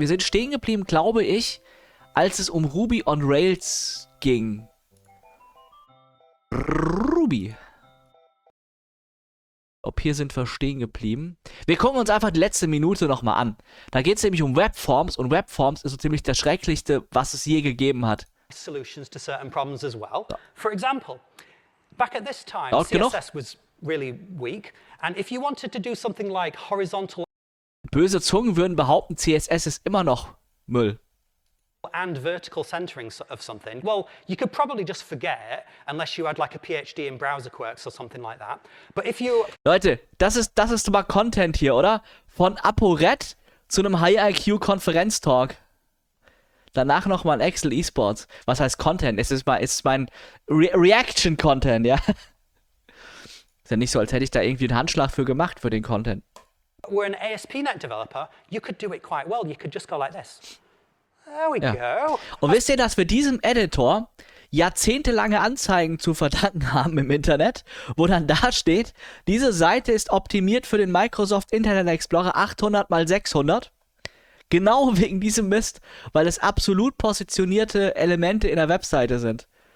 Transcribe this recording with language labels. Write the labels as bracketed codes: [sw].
[de] Wir sind stehen geblieben, glaube ich, als es um Ruby on Rails ging. Ruby. Ob hier sind wir stehen geblieben. Wir gucken uns einfach die letzte Minute nochmal an. Da geht es nämlich um Webforms und Webforms ist so ziemlich das Schrecklichste, was es je gegeben hat. [en] Solutions to certain problems as well. For example, back at this time, CSS was really weak, and if you wanted to do something like horizontal, [de] böse Zungen würden behaupten, CSS ist immer noch Müll. [en] And vertical centering of something, well, you could probably just forget it, unless you had like a PhD in browser quirks or something like that. But if you [de] Leute, das ist mal Content hier, oder? Von ApoRed zu einem High IQ Konferenztalk. Danach nochmal Excel Esports. Was heißt Content? Es ist mein Reaction-Content, ja? Ist ja nicht so, als hätte ich da irgendwie einen Handschlag für gemacht, für den Content. [en] We're an ASP.NET developer. You could do it quite well. You could just go like this. There we go. [de] Und wisst ihr, dass wir diesem Editor jahrzehntelange Anzeigen zu verdanken haben im Internet, wo dann da steht, diese Seite ist optimiert für den Microsoft Internet Explorer 800x600. Genau wegen diesem Mist, weil es absolut positionierte Elemente in der Webseite sind.